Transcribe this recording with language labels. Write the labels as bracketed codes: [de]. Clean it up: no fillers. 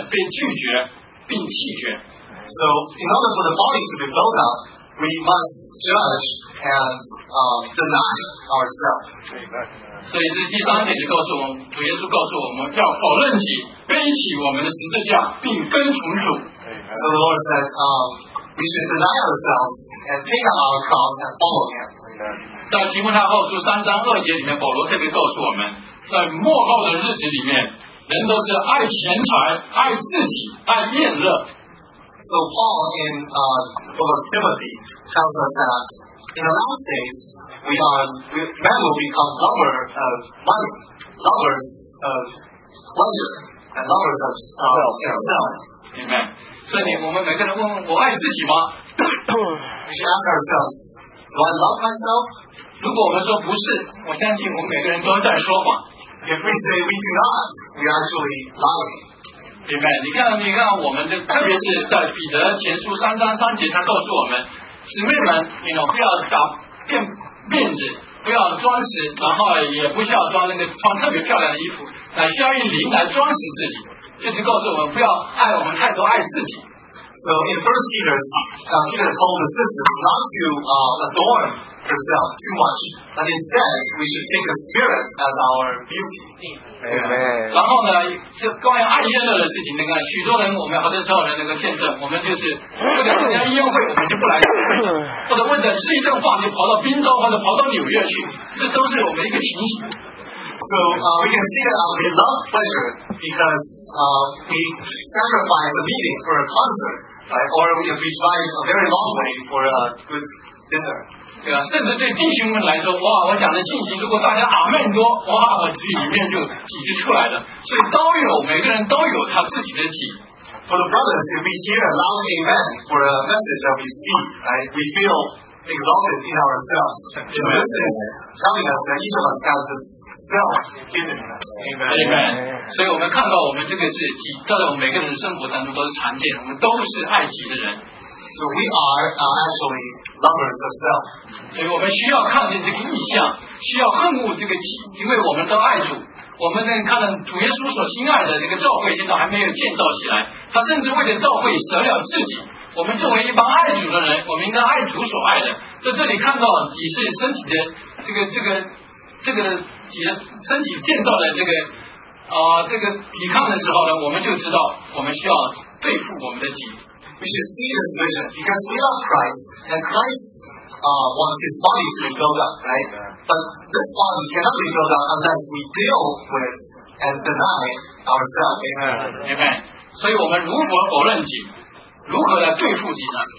[zh] 所以为了使身体能够建造起来呢，我们的己独立的魂必须被定罪、被否认、被拒绝、并弃绝。 [en] So in order for the body to be built up, we must judge and deny ourselves. [zh] 所以这是第三点，就告诉我们，主耶稣告诉我们要否认己，背起我们的十字架，并跟从主。 [en] So the Lord said, we should deny ourselves and take our cross and follow Him. [zh] 在提摩太后书3章2节里面，保罗特别告诉我们，在末后的日子里面，人都是爱钱财、爱自己、爱宴乐。 [en] So Paul in the book of Timothy tells us that in the last days, men will become lovers of money, lovers of pleasure, and lovers of self. [zh] Amen. 所以我们每个人问我爱自己吗？ [en] We should ask ourselves, do I love myself? [zh] 如果我们说不是，我相信我们每个人都在说谎。 [en] If we say we do not, we are actually lying. [zh] 明白？你看，我们的特别是在彼得前书三章三节，他告诉我们，姊妹们，你 know, 不要找面子，不要装饰，然后也不需要装那个穿特别漂亮的衣服，乃需要用灵来装饰自己。这就告诉我们，不要爱我们太多爱自己。 [en] So in 1 Peter, Peter told the sisters not to adorn herself too much, but instead we should take the spirit as our beauty. Amen. [zh] 然后呢，就关于爱宴乐的事情，那个许多人，我们好多时候的那个见证，我们就是为了参加宴会，我们就不来，或者为了吃一顿饭就跑到宾州或者跑到纽约去，这都是我们一个情形。 [en] So we can see that we love pleasure because we sacrifice a meeting for a concert, right? Or if we drive a very long way for a good dinner. [zh] 对啊，甚至对弟兄们来说，哇，我讲的信息，如果大家阿门多，哇，我嘴里面就挤就出来了。所以都有，每个人都有他自己的挤。 [en] For the brothers, if we hear a loud amen for a message that we speak, right? We feel exalted in ourselves. So this is telling us that each of us has this. Amen. Amen. [zh] 所以我们看到我们这个是挤，在我们每个人的生活当中都是常见，我们都是爱挤的人。 [en] So we are actually lovers of self. [zh] 所以我们需要看见这个意象，需要恨恶这个挤，因为我们都爱主。我们能看到主耶稣所心爱的那个教会，现在还没有建造起来，他甚至为了教会舍了自己。我们作为一帮爱主的人，我们应该爱主所爱的。在这里看到挤是身体的这个身体建造的这个抵抗的时候呢，我们就知道我们需要对付我们的己。 [en] We should see this vision because we love Christ and Christ wants His body to be built up, right? But this body cannot be built up unless we deal with and deny ourselves. Amen. [zh] 所以我们如何否认己，如何来对付己呢